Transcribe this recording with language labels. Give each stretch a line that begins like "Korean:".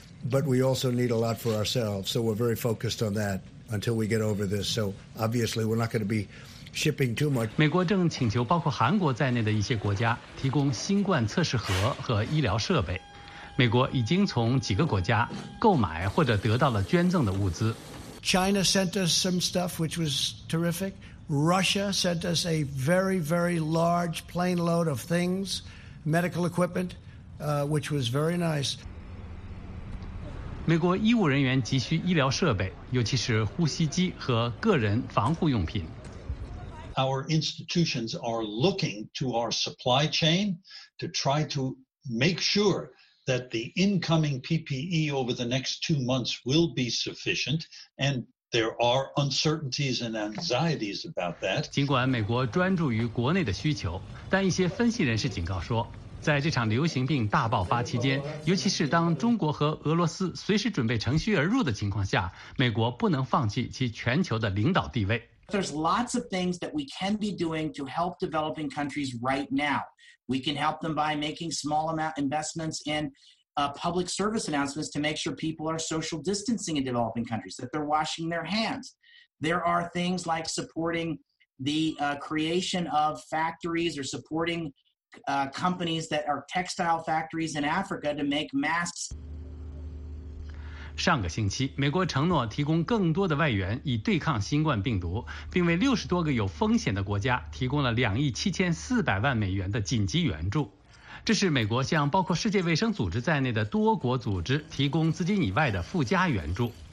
English: But we also need a lot for ourselves, so we're very focused on that until we get over this. So obviously, we're not going to be shipping too much.
Chinese: 美国正请求包括韩国在内的一些国家提供新冠测试盒和医疗设备。美国已经从几个国家购买或者得到了捐赠的物资。
English: China sent us some stuff, which was terrific. Russia sent us a very, very large plane load of things, medical equipment, which was very nice.
Chinese: 美国医务人员急需医疗设备，尤其是呼吸机和个人防护用品。
English: Our institutions are looking to our supply chain to try to make sure. That the incoming PPE over the next 2 months will be sufficient, and there are uncertainties and anxieties about that.
Chinese: 尽管美国专注于国内的需求，但一些分析人士警告说，在这场流行病大爆发期间，尤其是当中国和俄罗斯随时准备乘虚而入的情况下，美国不能放弃其全球的领导地位。
English: There's lots of things that we can be doing to help developing countries right now. We can help them by making small amount investments in public service announcements to make sure people are social distancing in developing countries, that they're washing their hands. There are things like supporting the creation of factories or supporting companies that are textile factories in Africa to make masks.
Chinese: 上个星期，美国承诺提供更多的外援以对抗新冠病毒，并为六十多个有风险的国家提供了2亿7400万美元的紧急援助。这是美国向包括世界卫生组织在内的多国组织提供资金以外的附加援助。